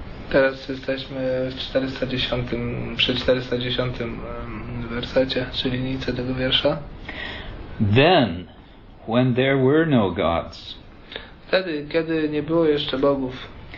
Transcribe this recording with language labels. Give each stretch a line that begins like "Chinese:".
Polish: Teraz jesteśmy w 410, przy 410 wersecie, czy linijce tego wiersza.
English: Then, when there were no gods.
Polish: Wtedy, kiedy nie było jeszcze bogów.